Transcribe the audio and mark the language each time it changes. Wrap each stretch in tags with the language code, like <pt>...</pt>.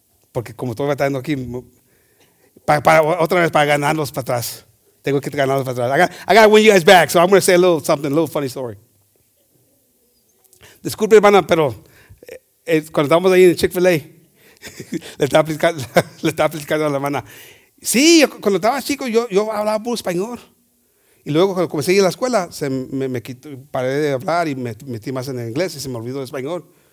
<es>Porque como estoy batallando aquí, otra vez para ganarlos para atrás. Tengo que ganarlos para atrás.</es> <en>I gotta win you guys back, so I'm going to say a little funny story.</en> <es>Disculpe, hermana, pero cuando estábamos ahí en Chick-fil-A, le estaba platicando a la hermana. Sí, cuando estaba chico yo hablaba puro español. Y luego cuando comencé a ir a la escuela, me quito, paré de hablar y me metí más en inglés y se me olvidó el español.</es>